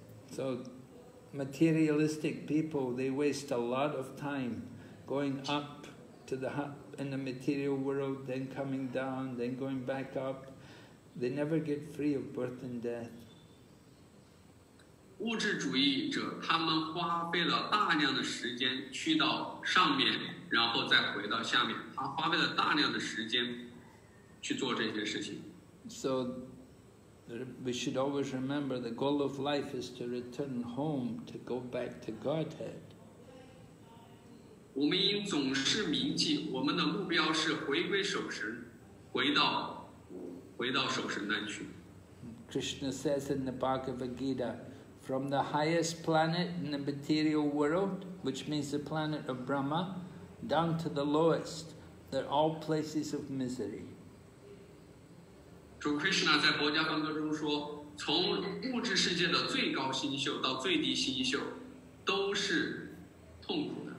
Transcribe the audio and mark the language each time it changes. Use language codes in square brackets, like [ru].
[en] So materialistic people, they waste a lot of time going up to the in the material world, then coming down, then going back up. They never get free of birth and death. [zh] 物质主义者他们花费了大量的时间去到上面，然后再回到下面。他花费了大量的时间去做这些事情。 [en] So we should always remember the goal of life is to return home, to go back to Godhead. [zh] 我们应总是铭记，我们的目标是回归守神，回到守神那去。 [en] Krishna says in the Bhagavad Gita, from the highest planet in the material world, which means the planet of Brahma, down to the lowest, they're all places of misery. [zh] So Krishna 在佛家梵歌中说，从物质世界的最高星宿到最低星宿，都是痛苦。